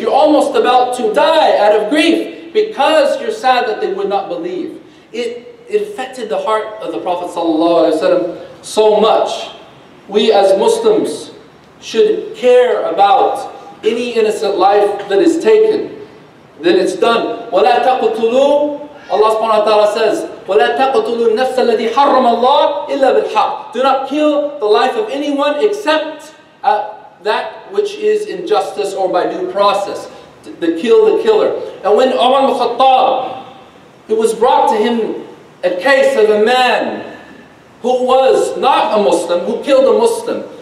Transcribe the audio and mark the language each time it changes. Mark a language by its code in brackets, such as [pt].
[en] You're almost about to die out of grief because you're sad that they would not believe. It affected the heart of the Prophet ﷺ so much. We as Muslims should care about any innocent life that is taken. Then it's done. [ar] وَلَا تَقْتُلُوا. [en] Allah subhanahu wa ta'ala says, [ar] وَلَا تَقْتُلُوا النَّفْسَ الَّذِي حَرَّمَ اللَّهُ إِلَّا بِالْحَقِّ. [en] Do not kill the life of anyone except that which is in justice or by due process. The kill the killer. And when Umar al-Khattab, it was brought to him a case of a man who was not a Muslim, who killed a Muslim.